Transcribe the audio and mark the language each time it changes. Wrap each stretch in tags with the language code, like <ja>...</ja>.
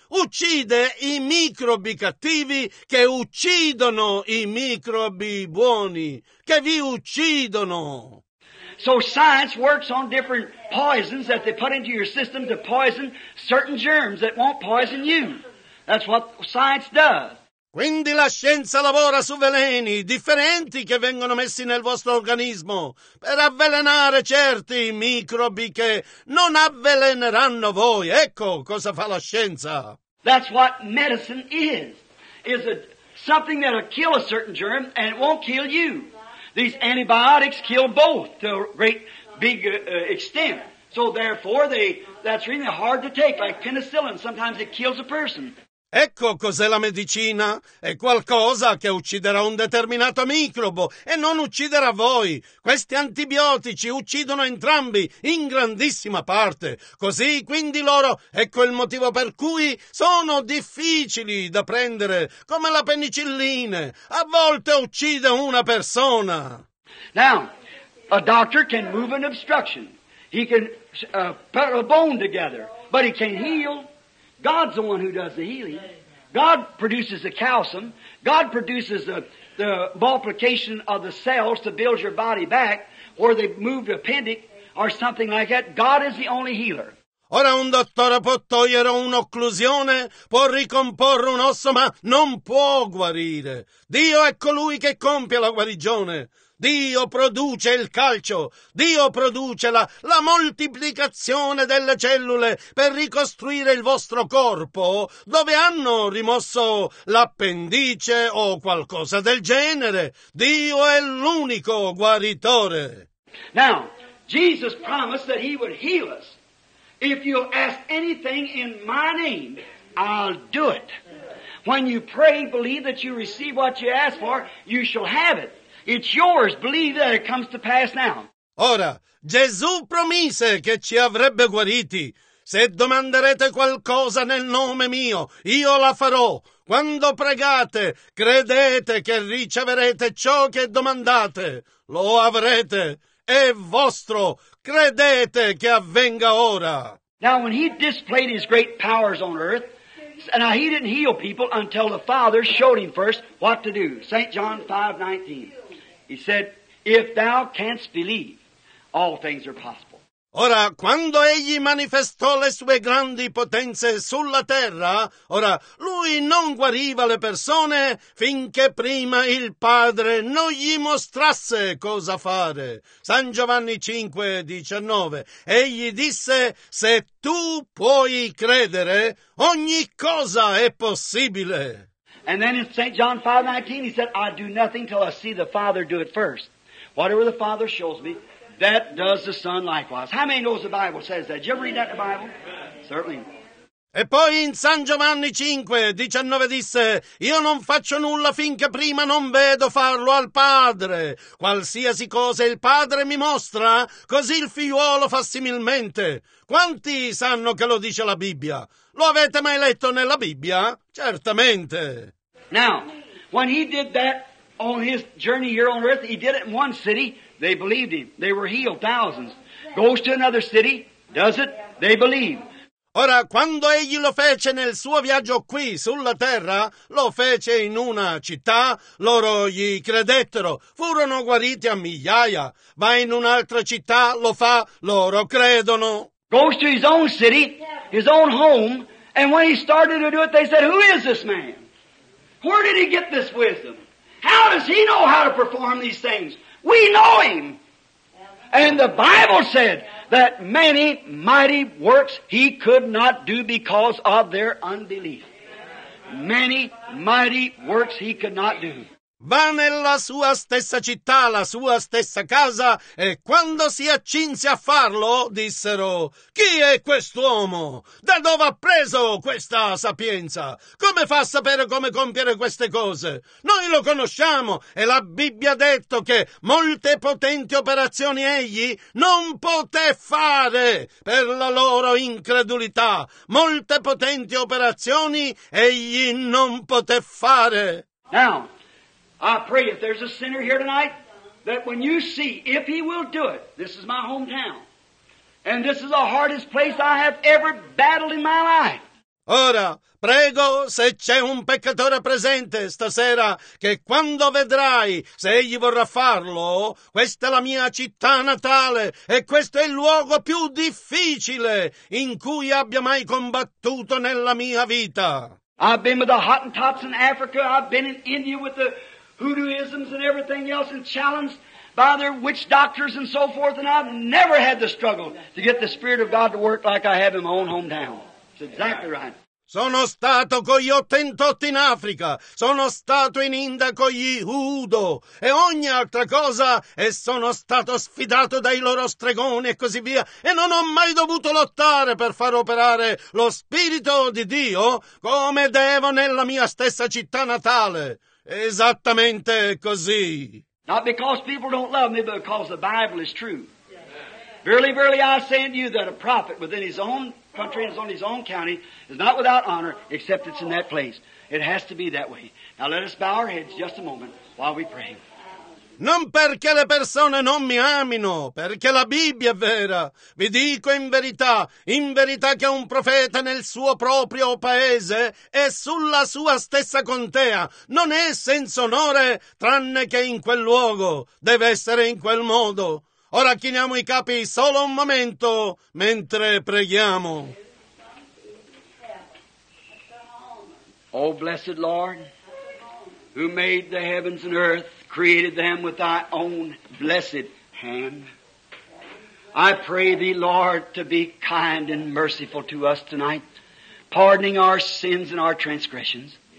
<it>Uccide i microbi cattivi che uccidono i microbi buoni, che vi uccidono.</it> <en>So science works on different poisons that they put into your system to poison certain germs that won't poison you. That's what science does.</en> <it>Quindi la scienza lavora su veleni differenti che vengono messi nel vostro organismo per avvelenare certi microbi che non avveleneranno voi. Ecco cosa fa la scienza.</it> <en>That's what medicine is it something that'll kill a certain germ and it won't kill you. These antibiotics kill both to a great big extent. So therefore that's really hard to take, like penicillin, sometimes it kills a person.</en> <it>Ecco cos'è la medicina. È qualcosa che ucciderà un determinato microbo e non ucciderà voi. Questi antibiotici uccidono entrambi in grandissima parte. Così quindi loro, ecco il motivo per cui sono difficili da prendere, come la penicillina. A volte uccide una persona.</it> <en>Now, a doctor can move an obstruction. He can put a bone together, but he can heal. God's the one who does the healing. God produces the calcium. God produces the multiplication of the cells to build your body back, or they move the appendix or something like that. God is the only healer.</en> <it>Ora un dottore può togliere un'occlusione, può ricomporre un osso, ma non può guarire. Dio è colui che compie la guarigione. Dio produce il calcio, Dio produce la moltiplicazione delle cellule per ricostruire il vostro corpo dove hanno rimosso l'appendice o qualcosa del genere. Dio è l'unico guaritore.</it> <en>Now, Jesus promised that he would heal us. If you ask anything in my name, I'll do it. When you pray, believe that you receive what you ask for, you shall have it. It's yours. Believe that it comes to pass now.</en> <it>Ora, Gesù promise che ci avrebbe guariti. Se domanderete qualcosa nel nome mio, io la farò. Quando pregate, credete che riceverete ciò che domandate. Lo avrete. È vostro. Credete che avvenga ora.</it> <en>Now, when he displayed his great powers on earth, now he didn't heal people until the Father showed him first what to do. St. John 5:19. He said, if thou canst believe, all things are possible.</en> <it>Ora, quando egli manifestò le sue grandi potenze sulla terra, ora, lui non guariva le persone finché prima il Padre non gli mostrasse cosa fare. San Giovanni 5:19. Egli disse, se tu puoi credere, ogni cosa è possibile.</it> <en>And then in St. John 5:19, he said, I do nothing till I see the Father do it first. Whatever the Father shows me, that does the Son likewise. How many knows the Bible says that? Did you ever read that in the Bible? Certainly.</en> <it>E poi in San Giovanni 5:19 disse, io non faccio nulla finché prima non vedo farlo al Padre. Qualsiasi cosa il Padre mi mostra, così il figliuolo fa similmente. Quanti sanno che lo dice la Bibbia? Lo avete mai letto nella Bibbia? Certamente.</it> <en>Now, when he did that on his journey here on earth, he did it in one city, they believed him. They were healed, thousands. Goes to another city, does it, they believe.</en> <it>Ora, quando egli lo fece nel suo viaggio qui sulla terra, lo fece in una città, loro gli credettero, furono guariti a migliaia. Va in un'altra città, lo fa, loro credono.</it> <en>Goes to his own city, his own home, and when he started to do it, they said, who is this man? Where did he get this wisdom? How does he know how to perform these things? We know him. And the Bible said that many mighty works he could not do because of their unbelief. Many mighty works he could not do.</en> <it>Va nella sua stessa città, la sua stessa casa, e quando si accinse a farlo, dissero, chi è quest'uomo? Da dove ha preso questa sapienza? Come fa a sapere come compiere queste cose? Noi lo conosciamo, e la Bibbia ha detto che molte potenti operazioni egli non poté fare per la loro incredulità. Molte potenti operazioni egli non poté fare.</it> <en>Now, I pray if there's a sinner here tonight, that when you see, if he will do it, this is my hometown, and this is the hardest place I have ever battled in my life.</en> <it>Ora, prego, se c'è un peccatore presente stasera, che quando vedrai, se egli vorrà farlo, questa è la mia città natale e questo è il luogo più difficile in cui abbia mai combattuto nella mia vita.</it> <en>I've been with the Hottentots in Africa, I've been in India with the Hoodooisms and everything else, and challenged by their witch doctors and so forth, and I've never had the struggle to get the Spirit of God to work like I have in my own hometown. Exactly right.</en> <it>Sono stato con gli Ottentotti in Africa, sono stato in India con gli Udo e ogni altra cosa, e sono stato sfidato dai loro stregoni e così via, e non ho mai dovuto lottare per far operare lo Spirito di Dio come devo nella mia stessa città natale. Esattamente così.</it> <en>Not because people don't love me, but because the Bible is true. Verily, verily, I say unto you that a prophet within his own country and on his own county is not without honor, except it's in that place. It has to be that way. Now let us bow our heads just a moment while we pray.</en> <it>Non perché le persone non mi amino, perché la Bibbia è vera. Vi dico in verità che un profeta nel suo proprio paese e sulla sua stessa contea non è senza onore, tranne che in quel luogo. Deve essere in quel modo. Ora chiniamo i capi solo un momento mentre preghiamo.</it> <en>O blessed Lord, who made the heavens and earth, created them with thy own blessed hand, I pray thee, Lord, to be kind and merciful to us tonight, pardoning our sins and our transgressions.</en>